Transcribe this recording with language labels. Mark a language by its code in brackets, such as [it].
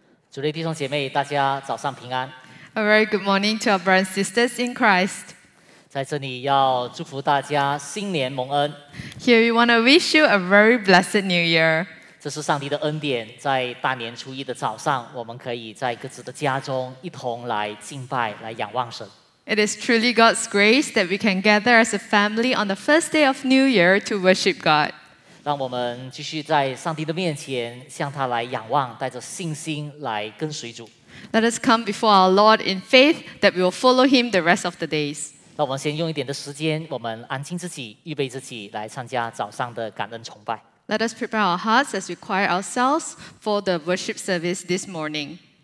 [zh] 主内弟兄姐妹，大家早上平安。 [en] A very good morning to our brothers and sisters in Christ. [zh] 在这里要祝福大家新年蒙恩。 [en] Here we want to wish you a very blessed New Year. [zh] 这是上帝的恩典，在大年初一的早上，我们可以在各自的家中一同来敬拜，来仰望神。 [en] It is truly God's grace that we can gather as a family on the first day of New Year to worship God. [zh] 让我们继续在上帝的面前向他来仰望，带着信心来跟随主。 [en] Let us come before our Lord in faith that we will follow him the rest of the days. [zh] 让我们先用一点的时间，我们安静自己，预备自己来参加早上的感恩崇拜。 [en] Let us prepare our hearts as we quiet ourselves for the worship service this morning.